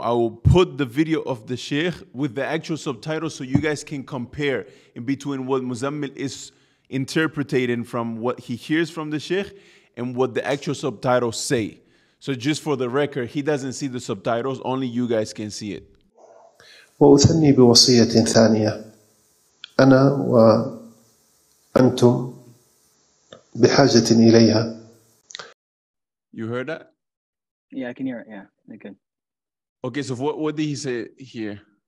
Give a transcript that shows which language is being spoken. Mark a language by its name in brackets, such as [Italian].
[English] I will put the video of the Sheikh with the actual subtitles so you guys can compare in between what Muzammil is interpreting from what he hears from the Sheikh and what the actual subtitles say. So just for the record, he doesn't see the subtitles, only you guys can see it. [Arabic] وأثني بوصية ثانية أنا وأنتم بحاجة إليها. [English] You heard that? Yeah, I can hear it. Yeah, okay. Okay, so what did he say here?